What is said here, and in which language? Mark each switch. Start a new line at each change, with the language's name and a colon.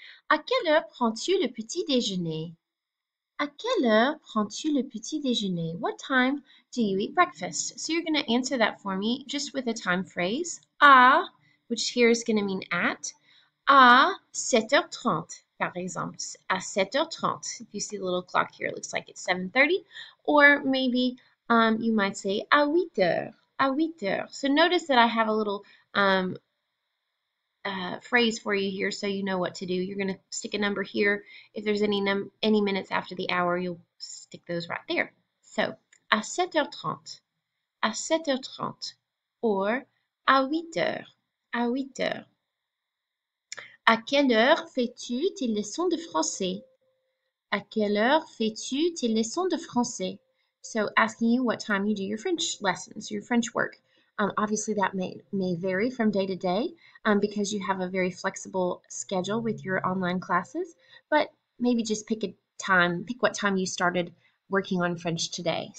French: À quelle heure prends-tu le petit déjeuner? À quelle heure prends-tu le petit déjeuner?
English: What time do you eat breakfast? So, you're going to answer that for me just with a time phrase. À, which here is going to mean at,
French: à 7h30. Par exemple, à 7h30.
English: If you see the little clock here, it looks like it's 7:30. Or maybe you might say
French: à 8h. À 8h.
English: So notice that I have a little phrase for you here, so you know what to do. You're going to stick a number here. If there's any minutes after the hour, you'll stick those right there.
French: So à 7h30. À 7h30. Or à 8h. À 8h. À quelle heure fais-tu tes leçons de français? À quelle heure fais-tu tes leçons de français?
English: So asking you what time you do your French lessons, your French work. Obviously that may vary from day to day, because you have a very flexible schedule with your online classes, but maybe just pick a time, pick what time you started working on French today.